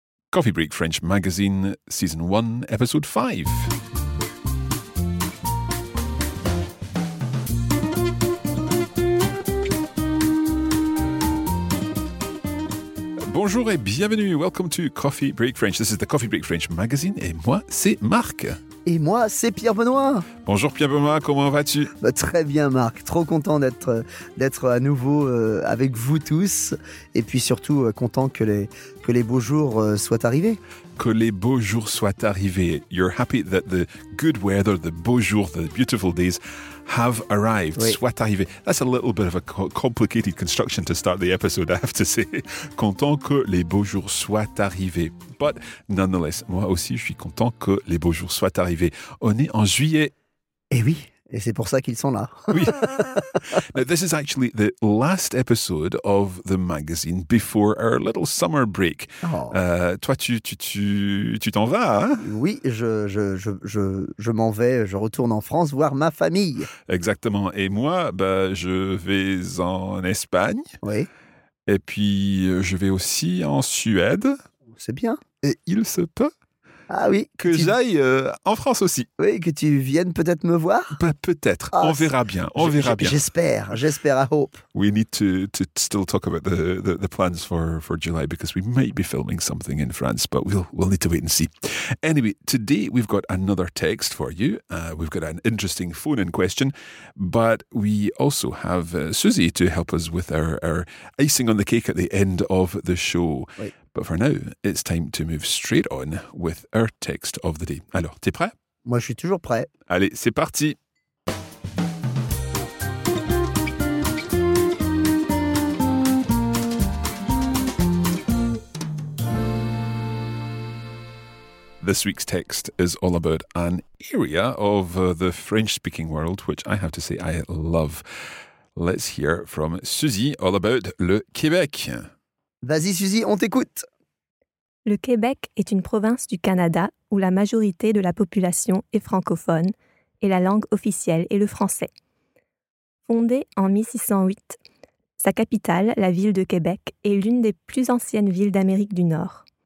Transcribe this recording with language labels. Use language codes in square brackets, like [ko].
[en] Coffee Break French Magazine, Season 1, Episode 5. [fr] Bonjour et bienvenue. [en] Welcome to Coffee Break French. This is the Coffee Break French Magazine [fr] et moi, c'est Marc. Et moi, c'est Pierre Benoît. Bonjour Pierre Benoît, comment vas-tu? Bah, très bien Marc, trop content d'être à nouveau avec vous tous. Et puis surtout content que les beaux jours soient arrivés. Que les beaux jours soient arrivés. [en] You're happy that the good weather, the beaux jours, the beautiful days have arrived, oui. [fr] Soient arrivés. [en] That's a little bit of a complicated construction to start the episode, I have to say. [fr] Content que les beaux jours soient arrivés. [en] But nonetheless, [fr] moi aussi, je suis content que les beaux jours soient arrivés. On est en juillet. Eh oui, et c'est pour ça qu'ils sont là. Oui. [en] Now, this is actually the last episode of the magazine before our little summer break. [fr] Toi, tu t'en vas, hein? Oui, je m'en vais, je retourne en France voir ma famille. Exactement. Et moi, bah, je vais en Espagne. Oui. Et puis, je vais aussi en Suède. C'est bien. Et il se peut que j'aille en France aussi. Oui, que tu viennes peut-être me voir. Bah, peut-être. Oh, on verra bien. J'espère. [en] I hope. We need to still talk about the plans for July because we might be filming something in France, but we'll need to wait and see. Anyway, today we've got another text for you. We've got an interesting phone-in question, but we also have Susie to help us with our icing on the cake at the end of the show. [fr] Oui. [en] But for now, it's time to move straight on with our text of the day. [fr] Alors, t'es prêt? Moi, je suis toujours prêt. Allez, c'est parti! [en] This week's text is all about an area of the French-speaking world, which I have to say I love. Let's hear from Suzy all about le Québec. [fr] Vas-y, Suzy, on t'écoute! Le Québec est une province du Canada où la majorité de la population est francophone et la langue officielle est le français. Fondée en 1608, sa capitale, la ville de Québec, est l'une des plus anciennes villes d'Amérique du Nord.